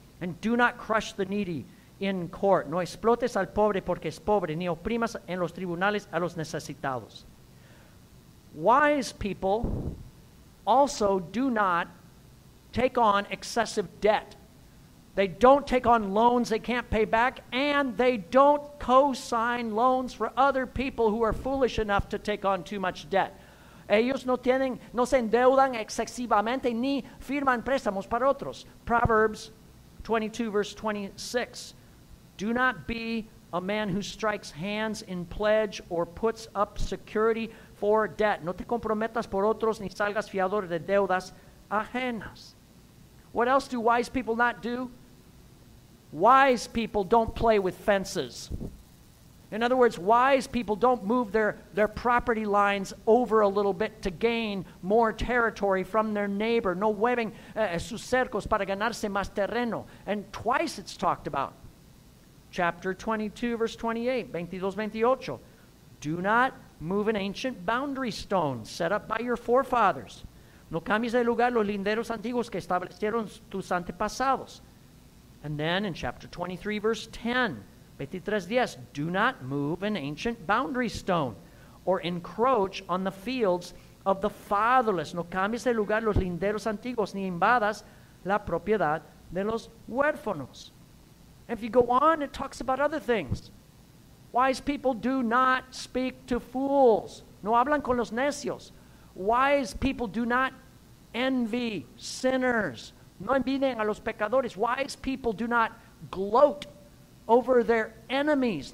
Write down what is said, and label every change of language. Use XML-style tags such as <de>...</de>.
<en>And do not crush the needy in court.</en> <es>No explotes al pobre porque es pobre, ni oprimas en los tribunales a los necesitados.</es> <en>Wise people also do not take on excessive debt. They don't take on loans they can't pay back, and they don't co-sign loans for other people who are foolish enough to take on too much debt.</en> <es>Ellos no tienen, no se endeudan excesivamente ni firman préstamos para otros.</es> <en>Proverbs 22, verse 26. Do not be a man who strikes hands in pledge or puts up security for debt.</en> <es>No te comprometas por otros ni salgas fiador de deudas ajenas.</es> <en>What else do wise people not do? Wise people don't play with fences. In other words, wise people don't move their property lines over a little bit to gain more territory from their neighbor.</en> <es>No mueven sus cercos para ganarse más terreno.</es> <en>And twice it's talked about. Chapter 22, verse 28, 22-28. Do not move an ancient boundary stone set up by your forefathers.</en> <es>No cambies de lugar los linderos antiguos que establecieron tus antepasados.</es> <en>And then in chapter 23, verse 10, 23:10, do not move an ancient boundary stone or encroach on the fields of the fatherless.</en> <es>No cambies de lugar los linderos antiguos ni invadas la propiedad de los huérfanos.</es> <en>And if you go on, it talks about other things. Wise people do not speak to fools.</en> <es>No hablan con los necios.</es> <en>Wise people do not envy sinners.</en> <es>No envidian a los pecadores.</es> <en>Wise people do not gloat over their enemies.</en>